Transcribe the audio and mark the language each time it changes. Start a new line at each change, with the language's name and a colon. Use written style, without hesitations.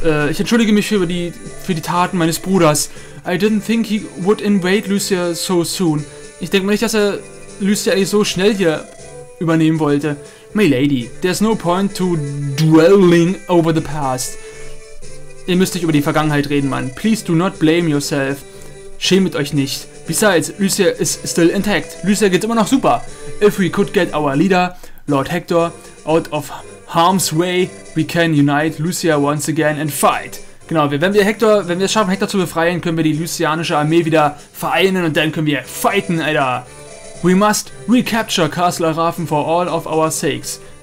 German: Ich entschuldige mich für die Taten meines Bruders.
English: I didn't think he would invade Lucia so soon.
German: Ich denke mal nicht, dass er Lucia eigentlich so schnell hier übernehmen wollte.
English: My lady, there's no point to dwelling over the past.
German: Ihr müsst nicht über die Vergangenheit reden, Mann.
English: Please do not blame yourself.
German: Schämt euch nicht.
English: Besides, Lucia is still intact.
German: Lucia geht immer noch super.
English: If we could get our leader, Lord Hector, out of harm's way, we can unite Lucia once again and fight.
German: Genau, wenn wir es schaffen, Hector zu befreien, können wir die lucianische Armee wieder vereinen und dann können wir fighten, Alter.
English: We must recapture Castle Arafen for all of our sakes.